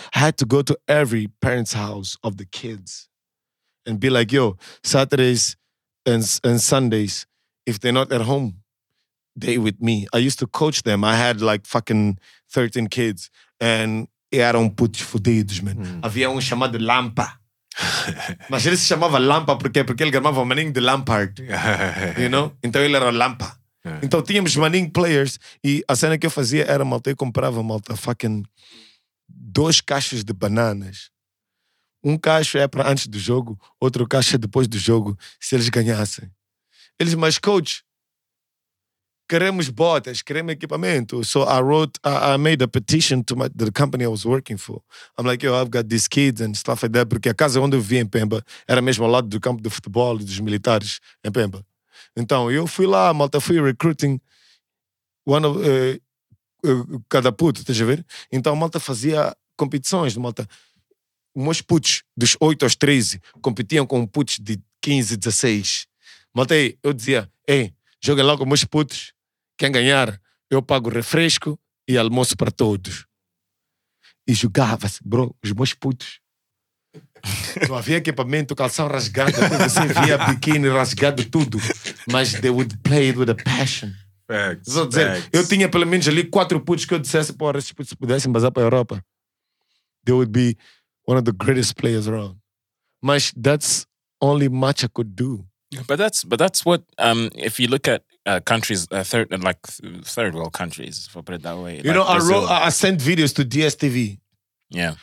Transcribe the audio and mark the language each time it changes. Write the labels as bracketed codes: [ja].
[en] I had to go to every parent's house of the kids and be like, yo, Saturdays and Sundays, if they're not at home, they with me. I used to coach them. I had like fucking 13 kids and [pt] eram putos fodidos, [en] man. [pt] Havia um chamado Lampa. Mas ele se chamava Lampa porque ele chamava o maninho de Lampard. [en] You know? [pt] Então ele era Lampa. Yeah. Então tínhamos maninho players e a cena que eu fazia era malta. Eu comprava malta fucking 2 caixas de bananas. Um cacho é para antes do jogo, outro cacho é depois do jogo, se eles ganhassem. Eles, mas coach, queremos botas, queremos equipamento. [en] So I wrote, I made a petition to the company I was working for. I'm like, yo, I've got these kids and stuff like that. [pt] Porque a casa onde eu vivia em Pemba era mesmo ao lado do campo de futebol e dos militares em Pemba. Então, eu fui lá, malta, fui [en] recruiting one of, [pt] cada puto, estás a ver? Então, malta fazia competições, malta. Meus putos dos 8 aos 13 competiam com putos de 15, 16. Malta, eu dizia, ei, joguem lá com meus putos. Quem ganhar, eu pago refresco e almoço para todos. E jogava-se, bro, os meus putos. Não havia equipamento, calção rasgado, você via biquíni rasgado, tudo. [en] Mas they would play it with a passion. Facts, [pt] só dizer, eu tinha pelo menos ali 4 putos que eu dissesse, porra, esses putos pudessem bazar para a Europa. [en] They would be one of the greatest players around. Mas that's only much I could do. But that's what if you look at countries third world countries, if I put it that way. You like know, I sent videos to DSTV. Yeah.